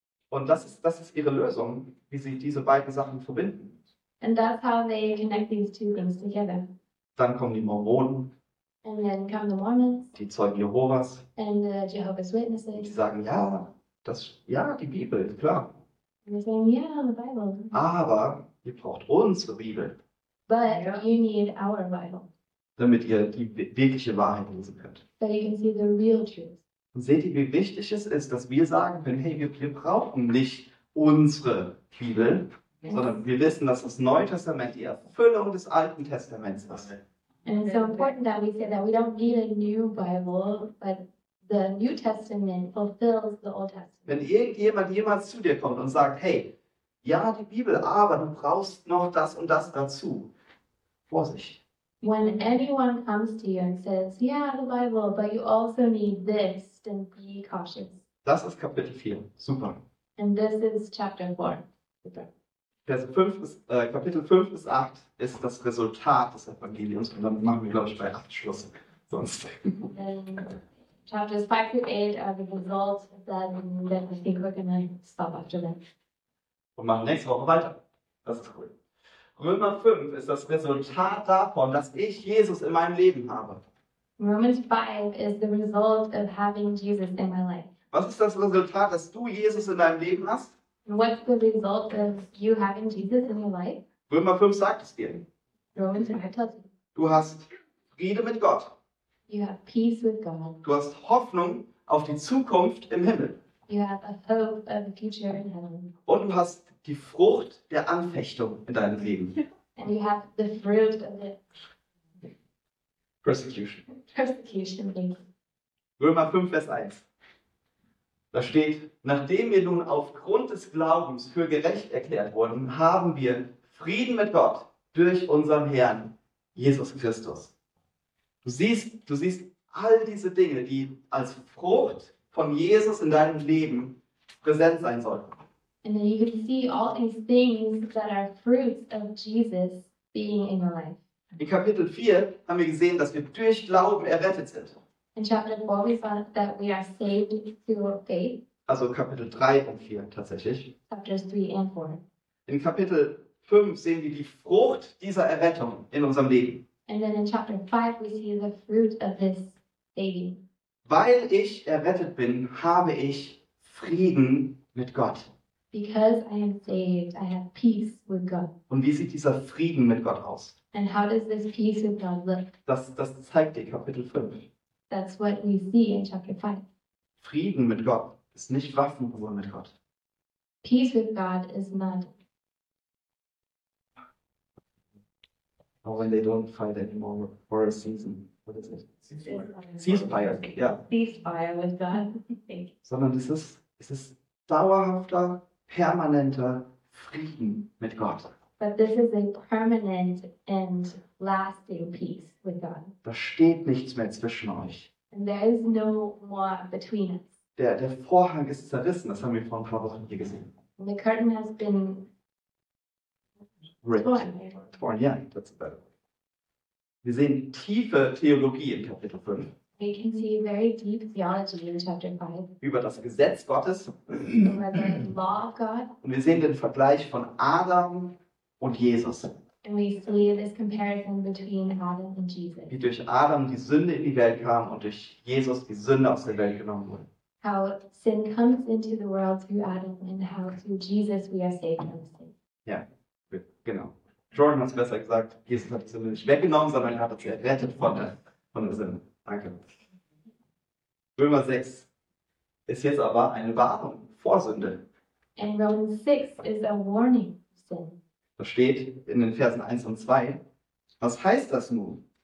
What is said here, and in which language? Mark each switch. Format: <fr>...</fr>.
<de>Und das ist ihre Lösung, wie sie diese beiden Sachen verbinden.</de> <en>And that's how they connect these two things together.</en> <de>Dann kommen die Mormonen.</de> <en>And then come the Mormons.</en> <de>Die Zeugen Jehovas.</de> <en>And the Jehovah's Witnesses.</en> <de>Die sagen die Bibel, klar.</de> <en>They're saying, yeah, the Bible.</en> <de>Aber ihr braucht unsere Bibel.</de> <en>But you need our Bible.</en> <de>Damit ihr die wirkliche Wahrheit lesen könnt.</de> <en>So you can see the real truth.</en> <de>Und seht ihr, wie wichtig es ist, dass wir sagen können, hey, wir brauchen nicht unsere Bibel, sondern wir wissen, dass das Neue Testament die Erfüllung des Alten Testaments ist.</de> <en>And it's so important that we say that we don't need a new Bible, but the New Testament fulfills the Old Testament.</en> <de>Wenn irgendjemand jemals zu dir kommt und sagt, hey, ja, die Bibel, aber du brauchst noch das und das dazu. Vorsicht.</de> <en>When anyone comes to you and says, yeah, the Bible, but you also need this, then be cautious.</en> <de>Das ist Kapitel 4. Super.</de> <en>And this is chapter 4. Super.</en> <de>Kapitel 5 bis 8 ist das Resultat des Evangeliums. Und dann machen wir, glaube ich, bei 8 Schluss. Sonst.</de> <en>Chapters 5 through 8 are the results. Then I think we're going to stop after that.</en> <de>Und machen nächste Woche weiter. Das ist cool. Römer 5 ist das Resultat davon, dass ich Jesus in meinem Leben habe.</de> <en>Romans 5 is the result of having Jesus in my life.</en> <de>Was ist das Resultat, dass du Jesus in deinem Leben hast?</de> <en>What's the result of you having Jesus in your life?</en> <de>Römer 5 sagt es dir.</de> <en>Romans 5 tells you.</en> <de>Du hast Friede mit Gott.</de> <en>You have peace with God.</en> <de>Du hast Hoffnung auf die Zukunft im Himmel.</de> <en>You have a hope of the future in heaven.</en> <de>Und du hast die Frucht der Anfechtung in deinem Leben.</de> <en>And you have the fruit of the Persecution. Persecution, thank</en> <de>you. Römer 5, Vers 1. Da steht, nachdem wir nun aufgrund des Glaubens für gerecht erklärt wurden, haben wir Frieden mit Gott durch unseren Herrn Jesus Christus. Du siehst all diese Dinge, die als Frucht von Jesus in deinem Leben präsent sein sollten.</de> <en>And then you can see all these things that are fruits of Jesus being in your life.</en> <de>In Kapitel 4 haben wir gesehen, dass wir durch Glauben errettet sind.</de> <en>In chapter 4 we saw that we are saved through faith.</en> <de>Also Kapitel 3 und 4 tatsächlich.</de> <en>Chapters 3 and 4.</en> <de>In Kapitel 5 sehen wir die Frucht dieser Errettung in unserem Leben.</de> <en>And then in chapter 5 we see the fruit of this saving.</en> <de>Weil ich errettet bin, habe ich Frieden mit Gott.</de> <en>Because I am saved, I have peace with God.</en> <de>Und wie sieht dieser Frieden mit Gott aus?</de> <en>And how does this peace with God look?</en> <de>Das zeigt dir Kapitel 5.</de> <en>That's what we see in chapter 5.</en> <de>Frieden mit Gott ist nicht Waffenruhe mit Gott.</de> <en>Peace with God is not. Oh, when they don't fight anymore for a season. What is it? Ceasefire. Ceasefire with God.</en> <de>Sondern es ist dauerhafter, permanenter Frieden mit Gott.</de> <en>But this is a permanent and lasting peace with God.</en> <de>Da steht nichts mehr zwischen euch.</de> <en>And there is no more between us.</en> <de>Der Vorhang ist zerrissen, das haben wir vor ein paar Wochen hier gesehen.</de> <en>And the curtain has been ripped. Torn, yeah, that's better.</en> <de>Wir sehen tiefe Theologie in Kapitel 5.</de> <en>We can see very deep theology in chapter 5.</en> <de>Über das Gesetz Gottes.</de> <en>Over the law of God.</en> <de>Und wir sehen den Vergleich von Adam und Jesus.</de> <en>And we see this comparison between Adam and Jesus.</en> <de>Wie durch Adam die Sünde in die Welt kam und durch Jesus die Sünde aus der Welt genommen wurde.</de> <en>How sin comes into the world through Adam and how through Jesus we are saved from sin.</en> <de>Ja, genau. Jordan hat es besser gesagt, Jesus hat die Sünde nicht weggenommen, sondern er hat sie errettet von der Sünde. Danke. Römer 6 ist jetzt aber eine Warnung vor Sünde.</de> <en>And Romans 6 is a warning of sin.</en> <de>Das steht in den Versen 1 und 2. Was heißt das nun?</de>